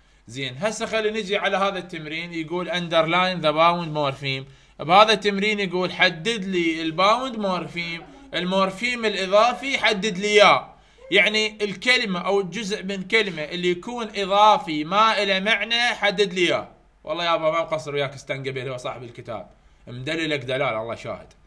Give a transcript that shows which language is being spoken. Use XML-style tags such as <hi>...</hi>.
<ar>زين هسه خلينا نجي على هذا التمرين.</ar> <en>يقول underline the bound morpheme.</en> <ar>بهذا التمرين يقول حدد لي الباوند مورفيم، المورفيم الإضافي حدد لي إياه. يعني الكلمة أو الجزء من كلمة اللي يكون إضافي ما إلى معنى حدد لي إياه. والله يا أبا ما مقصر وياك استنقبيل، هو صاحب الكتاب مدللك دلال، الله شاهد.</ar>